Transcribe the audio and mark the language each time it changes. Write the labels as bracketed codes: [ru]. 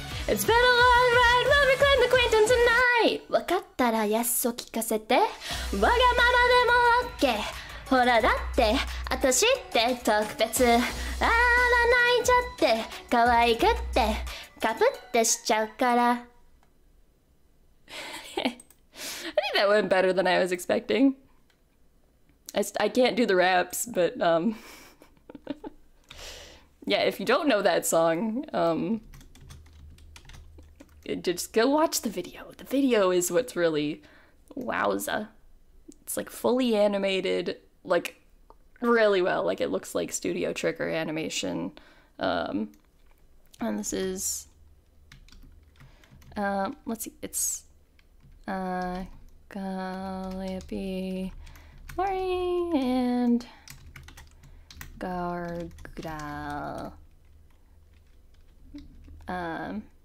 [en] It's been a long ride, we'll reclaim the queendom tonight [ja] わかったら Yes を聞かせてわがままでも OK ほらだってあたしって特別あら泣いちゃって可愛くってかぶってしちゃうから [en] I think that went better than I was expecting I can't do the raps but yeah if you don't know that song just go watch the video is what's really wowza it's like fully animated like really well like it looks like Studio Trigger animation and this is let's see it's Calliope Mori and Gargal and